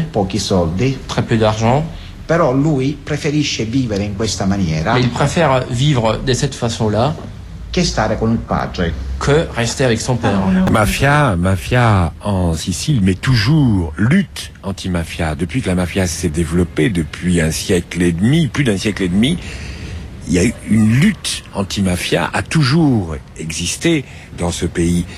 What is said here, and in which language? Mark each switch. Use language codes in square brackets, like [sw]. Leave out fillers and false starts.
[it] pochi soldi, [fr] très peu d'argent, [it] però lui preferisce vivere in questa maniera, [fr] il préfère vivre de cette façon-là, [it] che stare con il padre, [fr] que rester avec son père. Mafia en Sicile, mais toujours lutte anti-mafia. Depuis que la mafia s'est développée, depuis un siècle et demi, plus d'un siècle et demi, il y a eu une lutte anti-mafia a toujours existé dans ce pays.